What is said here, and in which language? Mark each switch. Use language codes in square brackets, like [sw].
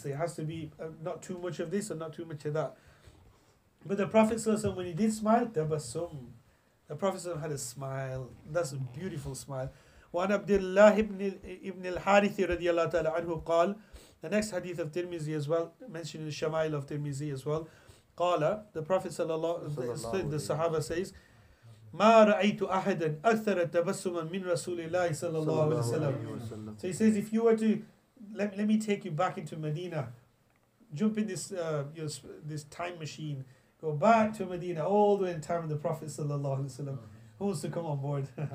[en] There has to be not too much of this and not too much of that. But the Prophet sallallahu alaihi wasallam, when he did smile, tabassum. The Prophet sallallahu alaihi wasallam had a smile. That's a beautiful smile. Wa an Abdullah ibn al-Harithi radiallahu ta'ala anhu qal. The next hadith of Tirmizi as well, mentioned in the Shamail of Tirmizi as well. Qala, the Prophet sallallahu, the Sahaba says, [ar] مَا رَأَيْتُ أَحَدًا أَكْثَرَ تَبَسُّمًا مِنْ رَسُولِ اللَّهِ صَلَى اللَّهُ عَلَيْهِ وَسَلَّمُ. [en] So he says, if you were to, let me take you back into Medina, jump in this this time machine, go back to Medina, all the way in time of the Prophet sallallahu alaihi wasallam. Who wants to come on board?